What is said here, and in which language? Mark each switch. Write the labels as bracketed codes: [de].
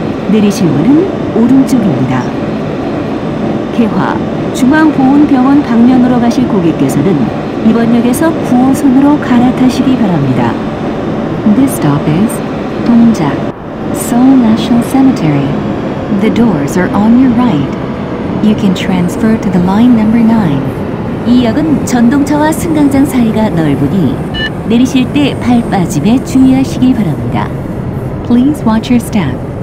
[ko] 내리실 문은 오른쪽입니다. 개화 중앙보훈병원 방면으로 가실 고객께서는 이번역에서 9호선으로 갈아타시기 바랍니다. [en] This stop is 동작 Seoul National Cemetery. The doors are on your right. You can transfer to the line number 9. [ko] 이 역은 전동차와 승강장 사이가 넓으니 내리실 때 발 빠짐에 주의하시기 바랍니다. [en] Please watch your step.